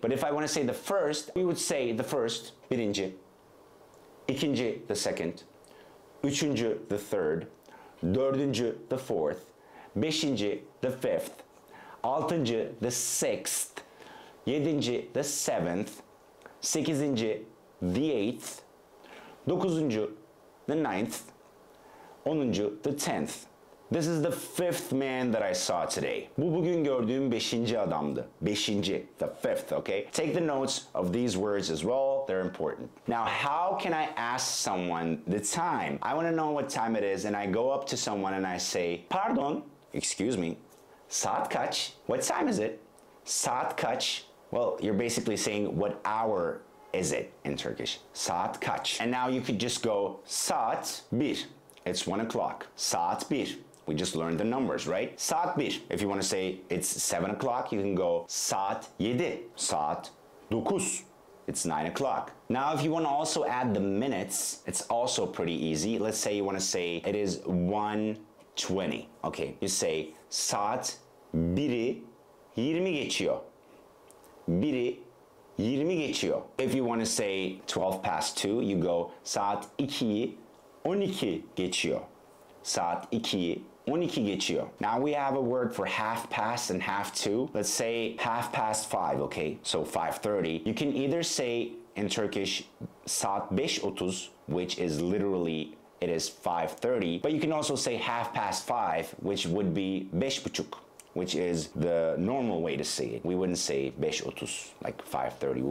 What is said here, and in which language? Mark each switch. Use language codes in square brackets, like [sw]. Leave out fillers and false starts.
[en] But if I want to say the first, we would say the first, birinci, ikinci, the second, üçüncü, the third, dördüncü, the fourth, beşinci, the fifth, altıncı, the sixth, yedinci, the seventh, sekizinci, the eighth, dokuzuncu, the ninth, onuncu, the tenth, This is the fifth man that I saw today. [tr] Bu bugün gördüğüm beşinci adamdı. [en] Beşinci, the fifth, okay? Take the notes of these words as well. They're important. Now, how can I ask someone the time? I want to know what time it is, and I go up to someone and I say, pardon, excuse me, [tr] saat kaç? [en] What time is it? [tr] Saat kaç? [en] Well, you're basically saying, what hour is it in Turkish? Saat kaç? And now you could just go, [tr] saat bir. [en] It's 1 o'clock. [tr] Saat bir. [en] We just learned the numbers, right? [tr] Saat bir. [en] If you want to say it's 7 o'clock, you can go [tr] saat yedi. Saat dokuz. [en] It's 9 o'clock. Now, if you want to also add the minutes, it's also pretty easy. Let's say you want to say it is 1:20. Okay, you say [tr] saat biri yirmi geçiyor. Biri yirmi geçiyor. [en] If you want to say 12:02, you go [tr] saat ikiyi on iki geçiyor. Saat ikiyi on iki geçiyor. [en] Now we have a word for half past and half two. Let's say 5:30, okay? So 5:30. You can either say in Turkish [tr] saat beş otuz, [en] which is literally it is 5:30, but you can also say 5:30, which would be [tr] beş buçuk, [en] which is the normal way to say it. We wouldn't say [tr] beş otuz, [en] like 5:30.